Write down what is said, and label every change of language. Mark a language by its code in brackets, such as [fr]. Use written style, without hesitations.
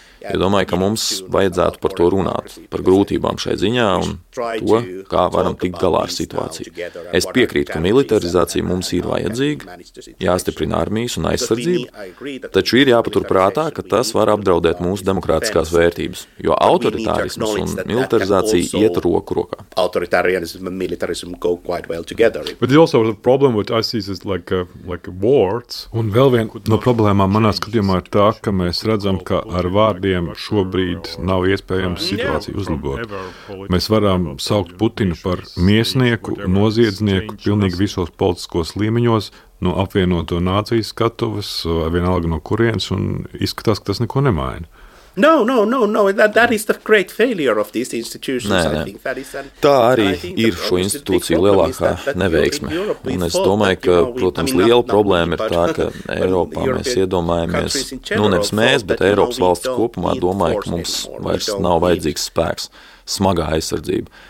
[lv] Ja domāju, ka mums vajadzētu par to runāt, par grūtībām šai ziņā un to, kā varam tikt galā ar situāciju. Es piekrītu, ka militarizācija mums ir vajadzīga, jāstiprina armijas un aizsardzība, taču ir jāpatur prātā, ka tas var apdraudēt mūsu demokrātiskās vērtības, jo autoritārisms un militarizācija iet roku rokā. [en] But also the problem with ISIS is like wars. [lv] Un vēl viena no problēmām manā skatījumā ir tā, ka mēs redzam, ka ar vārdiem šobrīd nav iespējams situāciju uzlabot. Mēs varam saukt Putinu par miesnieku, noziedznieku pilnīgi visos politiskos līmeņos, no apvienoto nācijas skatuves, vienalga no kurienes, un izskatās, ka tas neko nemaina. [en] No, that is the great failure of these institutions. [lv] Nē. Tā arī ir šo institūciju lielākā neveiksme. Un es domāju, ka, protams, liela problēma ir tā, ka Eiropā mēs iedomājamies, nevis mēs, bet Eiropas valsts kopumā domāju, ka mums vairs nav vajadzīgs spēks, smagā aizsardzība.